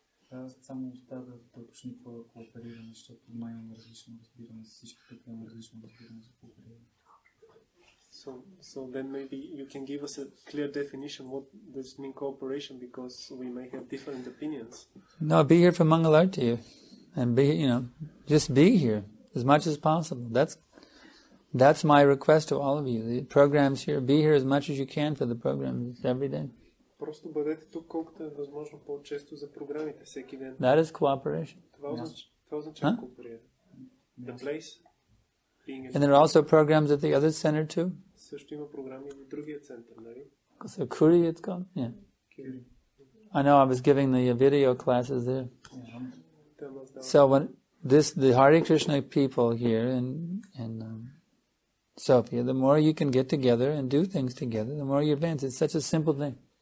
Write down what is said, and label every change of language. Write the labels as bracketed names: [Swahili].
[Bulgarian] Аз само остава да допочни какво е кооперирано, защото май имам различно разбиране, всички тук имам различно разбиране за кооперирането. [English] So then maybe you can give us a clear definition what does mean cooperation, because we may have different opinions. No, be here for Mangalarti. And be, you know, just be here as much as possible. That's my request to all of you. The programs here, be here as much as you can for the programs every day. [Bulgarian] Просто бъдете тук колкото е възможно по-често за програмите всеки ден. [English] That is cooperation. [Bulgarian] Това, [English] yes. The place being a. And there are also programs at the other center too? [Bulgarian] Също има програми в другия център, нали? [English] So Kuri it's called? Yeah. I know I was giving the video classes there. So when this the Hare Krishna people here in Sofia, the more you can get together and do things together, the more you advance. It's such a simple thing.